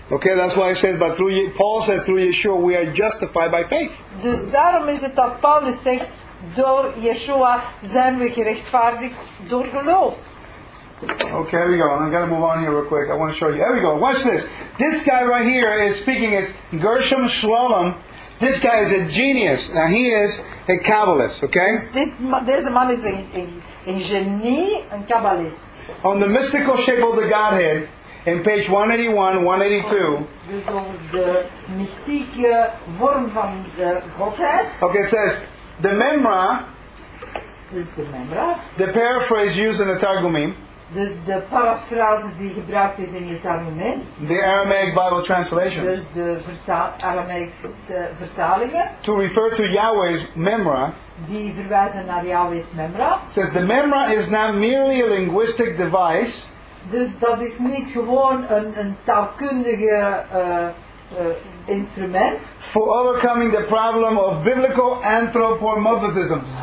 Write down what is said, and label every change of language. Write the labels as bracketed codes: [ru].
[en] Okay, that's why I said, but through Paul says through Yeshua we are justified by faith. [nl] Dus daarom is het dat Paulus zegt, door Yeshua zijn we gerechtvaardigd door geloof. [en] Okay, here we go. I'm going to move on here real quick. I want to show you. Here we go. Watch this. This guy right here is speaking. It's Gershom Scholem. This guy is a genius. Now, he is a Kabbalist, okay? [nl] Deze man is een genie, een Kabbalist. [en] On the mystical shape of the Godhead, in page 181, 182. [nl] Dus de mystieke vorm van de Godhead. [en] Okay, it says, the memra, [nl] dus de memra, [en] the paraphrase used in the Targumim, [nl] dus de paraphrase die gebruikt is in het Targumim, [en] the Aramaic Bible translation, [nl] dus de Aramaic vertalingen, [en] to refer to Yahweh's memra, [nl] die verwijzen naar Yahweh's memra, [en] says the memra is not merely a linguistic device, [nl] dus dat is niet gewoon een taalkundige instrument [en] for overcoming the problem of biblical anthropomorphism.